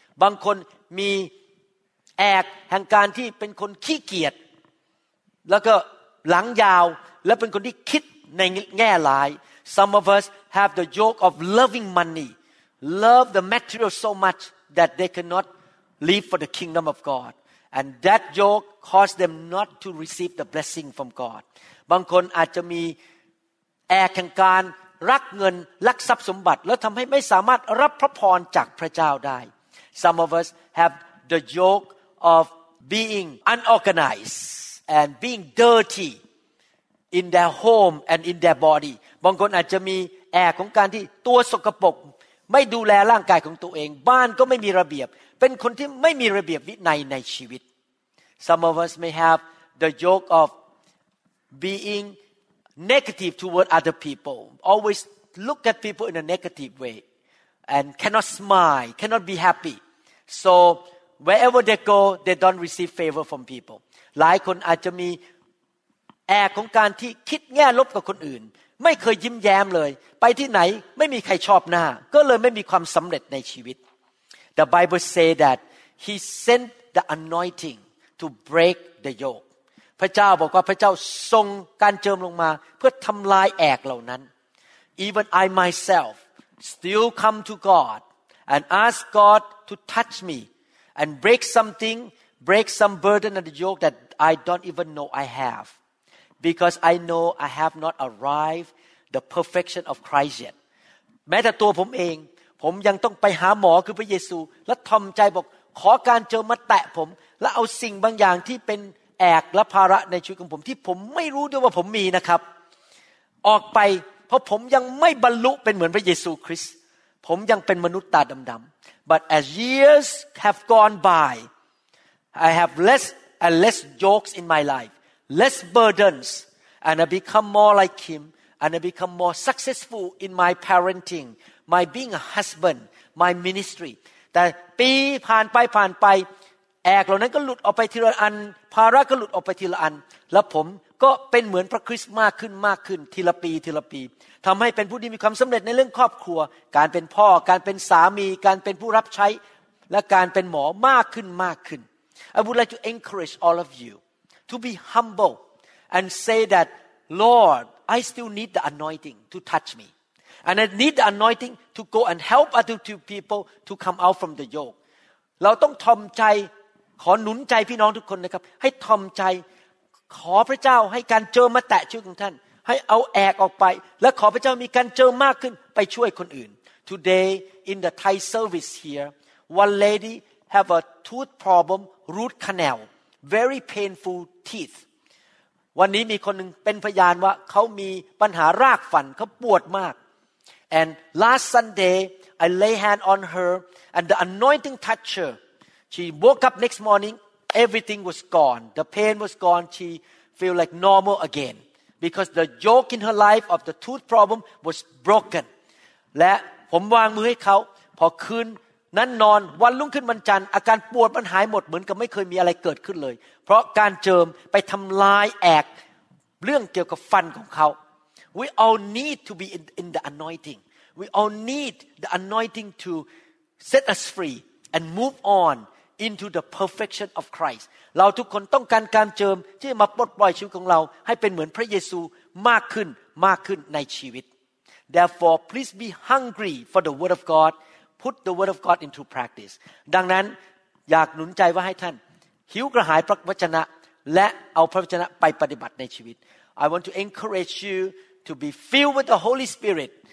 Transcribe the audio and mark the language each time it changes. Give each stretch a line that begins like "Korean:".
Thai: บางคนมีแอกแห่งการที่เป็นคนขี้เกียจแล้วก็หลังยาวและเป็นคนที่คิดในแง่ร้าย
English: Some of us have the yoke of loving money, love the material so muchthat they cannot live for the kingdom of God. And that yoke caused them not to receive the blessing from God.
Thai: บางคนอาจจะมีแอกแห่งการรักเงินรักทรัพย์สมบัติแล้วทำให้ไม่สามารถรับพระพรจากพระเจ้าได้
English: Some of us have the yoke of being unorganized and being dirty in their home and in their body.
Thai: บางคนอาจจะมีแอกของการที่ตัวสกปรกไม่ดูแลร่างกายของตัวเองบ้านก็ไม่มีระเบียบเป็นคนที่ไม่มีระเบียบวินัยในชีวิต
English: Some of us may have the yoke of being negative toward other people always look at people in a negative way and cannot smile cannot be happy so wherever they go they don't receive favor from people
Thai: หลายคนอาจจะมี แอบของการที่คิดแง่ลบกับคนอื่นไม่เคยยิ้มแย้มเลยไปที่ไหนไม่มีใครชอบหน้าก็เลยไม่มีความสำเร็จในชีวิต
English: The Bible say that he sent the anointing to break the yoke.
Thai: พระเจ้าบอกว่าพระเจ้าส่งการเจิมลงมาเพื่อทำลายแอกเหล่านั้น
English: Even I myself still come to God and ask God to touch me and break something, break some burden and yoke that I don't even know I have. Because I know I have not arrived the perfection of Christ yet.
Thai: แม้แต่ตัวผมเองผมยังต้องไปหาหมอคือพระเยซูและทอมใจบอกขอการเจอมาแตะผมและเอาสิ่งบางอย่างที่เป็นแอกและภาระในชีวิตของผมที่ผมไม่รู้ด้วยว่าผมมีนะครับ ออกไปเพราะผมยังไม่บรรลุเป็นเหมือนพระเยซูคริสต์ผมยังเป็นมนุษย์ตาดำๆ
English: But as years have gone by I have less and less jokes in my life less burdens and I become more like him and I become more successful in my parentingMy being a husband, my ministry.
Thai: แต่ปีผ่านไปผ่านไปแอกเหล่านั้นก็หลุดออกไปทีละอันภาระก็หลุดออกไปทีละอันแล้วผมก็เป็นเหมือนพระคริสต์มากขึ้นมากขึ้นทีละปีทีละปีทำให้เป็นผู้ที่มีความสำเร็จในเรื่องครอบครัวการเป็นพ่อการเป็นสามีการเป็นผู้รับใช้และการเป็นหมอมากขึ้นมากขึ้น
English: I would like to encourage all of you to be humble and say that Lord, I still need the anointing to touch me. And I need the anointing to go and help other two people to come out from the yoke.
Thai: เราต้องทอมใจขอหนุนใจพี่น้องทุกคนนะครับให้ทอมใจขอพระเจ้าให้การเจิมมาแตะชีวิตของท่านให้เอาแอกออกไปและขอพระเจ้ามีการเจิมมากขึ้นไปช่วยคนอื่น
English: Today in the Thai service here, one lady have a tooth problem, root canal, very painful teeth.
Thai: วันนี้มีคนนึงเป็นพยานว่าเขามีปัญหารากฟันเขาปวดมาก
English: And last Sunday, I lay hand on her, and the anointing touched her. She woke up next morning, everything was gone. The pain was gone. She felt like normal again. Because the yoke in her life of the tooth problem was broken.
Thai: และผมวางมือให้เขาพอคืนนั้นนอนวันรุ่งขึ้นวันจันทร์อาการปวดมันหายหมดเหมือนกับไม่เคยมีอะไรเกิดขึ้นเลยเพราะการเจิมไปทำลายแอกเรื่องเกี่ยวกับฟันของเขา
English: We all need to be in the anointing. We all need the anointing to set us free and move on into the perfection of Christ.
Thai: เราทุกคนต้องการการเจิมที่มาปลดปล่อยชีวิตของเราให้เป็นเหมือนพระเยซูมากขึ้นมากขึ้นในชีวิต
English: Therefore, please be hungry for the word of God. Put the word of God into practice.
Thai: ดังนั้นอยากหนุนใจว่าให้ท่านหิวกระหายพระวจนะและเอาพระวจนะไปปฏิบัติในชีวิต
English: I want to encourage you to be filled with the Holy Spirit.